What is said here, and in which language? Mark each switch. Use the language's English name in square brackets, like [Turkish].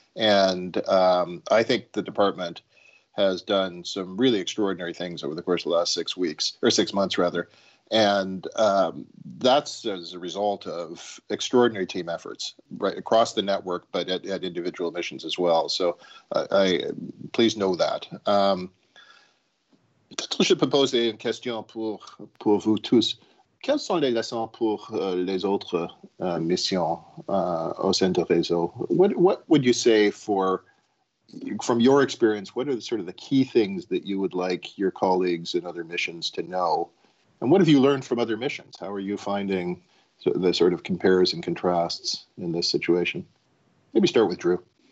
[English] And I think the department has done some really extraordinary things over the course of the last 6 weeks, or 6 months rather. And that's as a result of extraordinary team efforts right across the network, but at individual missions as well. So please know that. [French] Peut-être je peux poser une question pour vous tous. Quelles sont les leçons pour les autres missions au sein de réseau? [English] What would you say from your experience, what are sort of the key things that you would like your colleagues in other missions to know? And what have you learned from other missions? How are you finding the sort of compares and contrasts in this situation? Maybe start with Drew.